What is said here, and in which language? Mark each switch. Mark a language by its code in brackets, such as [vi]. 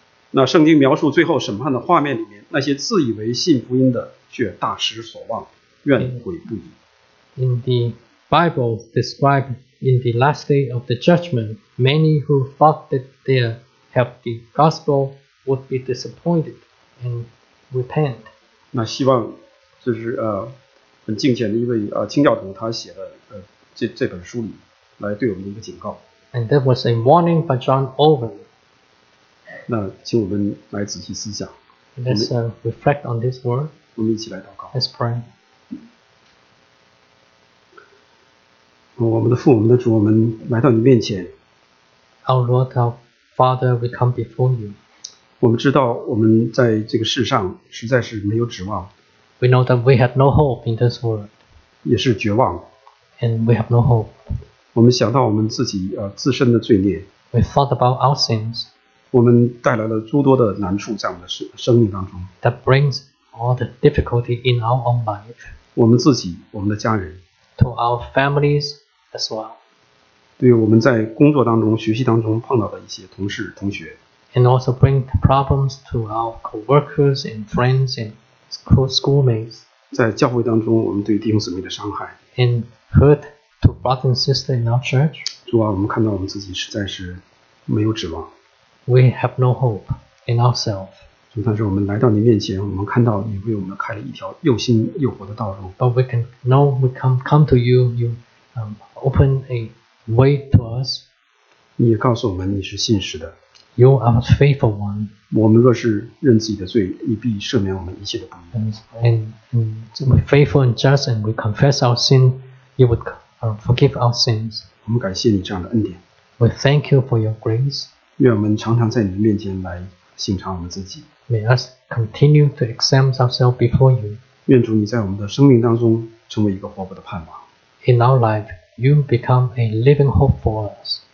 [zh] 那圣经描述最后审判的画面里面，那些自以为信福音的却大失所望，怨悔不已。 [en] In the Bible described in the last day of the judgment, many who thought that they have the gospel would be disappointed and repent. [zh] 那希望就是很敬虔的一位清教徒他写的这本书里来对我们的一个警告。 [en] And that was a warning by John Owen. [zh] 那请我们来仔细思想。 [en] Let's reflect on this word. [zh] 我们一起来祷告。 [en] Let's pray. [zh] 我们的父，我们的主，我们来到你面前。 [en] Our Lord, our Father, we come before you. [zh] 我们知道我们在这个世上实在是没有指望。 [en] We know that we have no hope in this world. [zh] 也是绝望。 [en] And we have no hope. [zh] 我们想到我们自己自身的罪孽。 [en] We thought about our sins. [zh] 我们带来了诸多的难处在我们的生命当中。 [en] That brings all the difficulty in our own life. [zh] 我们自己，我们的家人。 [en] To our families as well. [zh] 对我们在工作当中、学习当中碰到的一些同事、同学。 [en] And also bring problems to our co-workers and friends and schoolmates. [zh] 在教会当中，我们对弟兄姊妹的伤害。 [en] And hurt to brother and sister in our church. [zh] 主啊，我们看到我们自己实在是没有指望。 [en] We have no hope in ourselves. [zh] 主，但是我们来到你面前，我们看到你为我们开了一条又新又活的道路。 [en] But we can know we come to you. You open a way to us. [zh] 你告诉我们你是信实的。 [en] You are a faithful one. [zh] 我们若是认自己的罪，你必赦免我们一切的不义。 [en] And we faithful and just, and we confess our sin, you would forgive our sins. [zh] 我们感谢你这样的恩典。 [en] We thank you for your grace. [zh] 愿我们常常在你面前来审查我们自己。 [en] May us continue to examine ourselves before you. [zh] 愿主你在我们的生命当中成为一个活泼的盼望。 [en] In our life, you become a living hope for us.